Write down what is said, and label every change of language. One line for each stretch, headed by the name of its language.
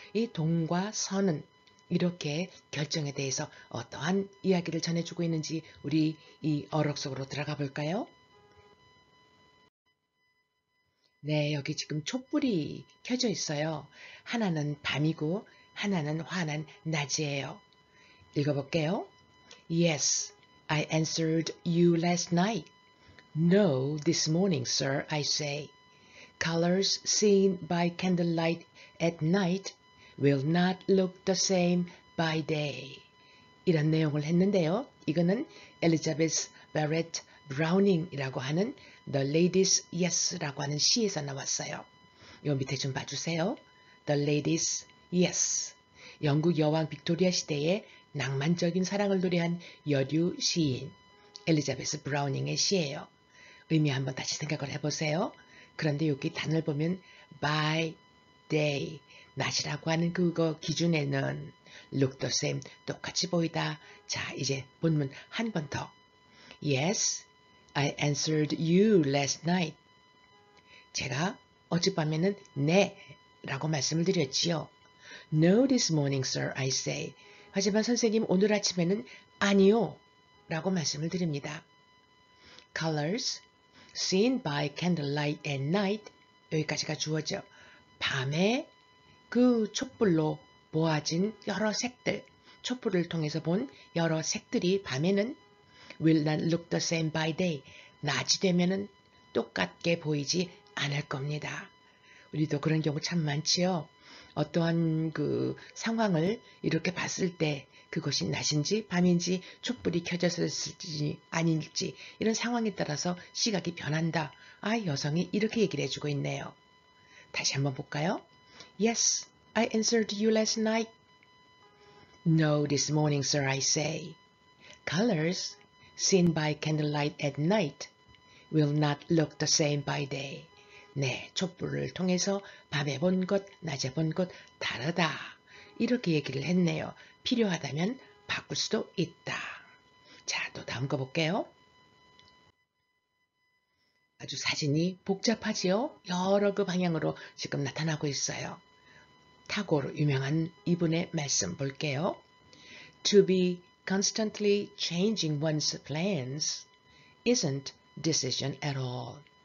Korean: 이 동과 서는 이렇게 결정에 대해서 어떠한 이야기를 전해주고 있는지 우리 이 어록 속으로 들어가 볼까요? 네, 여기 지금 촛불이 켜져 있어요. 하나는 밤이고 하나는 환한 낮이에요. 읽어볼게요.
English: Yes, I answered you last night. No, this morning, sir, I say. Colors seen by candlelight at night will not look the same by day.
Korean: 이런 내용을 했는데요. 이거는 엘리자베스 베렛 브라우닝이라고 하는 The Lady's Yes라고 하는 시에서 나왔어요. 요 밑에 좀 봐주세요. The Lady's Yes. 영국 여왕 빅토리아 시대의 낭만적인 사랑을 노래한 여류 시인 엘리자베스 브라우닝의 시예요. 의미 한번 다시 생각을 해보세요. 그런데 여기 단을 보면
English: by day,
Korean: 낮이라고 하는 그거 기준에는
English: look the same,
Korean: 똑같이 보이다. 자, 이제 본문 한번 더.
English: Yes, I answered you last night.
Korean: 제가 어젯밤에는 네 라고 말씀을 드렸지요.
English: No, this morning, sir, I say.
Korean: 하지만 선생님, 오늘 아침에는 아니요 라고 말씀을 드립니다.
English: Colors seen by candlelight at night.
Korean: 여기까지가 주어죠. 밤에 그 촛불로 보아진 여러 색들, 촛불을 통해서 본 여러 색들이 밤에는
English: will not look the same by day.
Korean: 낮이 되면은 똑같게 보이지 않을 겁니다. 우리도 그런 경우 참 많지요. 어떠한 그 상황을 이렇게 봤을 때 그것이 낮인지 밤인지 촛불이 켜져서 있을지 아닌지 이런 상황에 따라서 시각이 변한다. 아, 여성이 이렇게 얘기를 해주고 있네요. 다시 한번 볼까요?
English: Yes, I answered you last night. No, this morning, sir, I say. Colors seen by candlelight at night will not look the same by day.
Korean: 네, 촛불을 통해서 밤에 본 것, 낮에 본 것, 다르다. 이렇게 얘기를 했네요. 필요하다면 바꿀 수도 있다. 자, 또 다음 거 볼게요. 아주 사진이 복잡하지요? 여러 그 방향으로 지금 나타나고 있어요. 타고로 유명한 이분의 말씀 볼게요.
English: To be constantly changing one's plans isn't decision at all.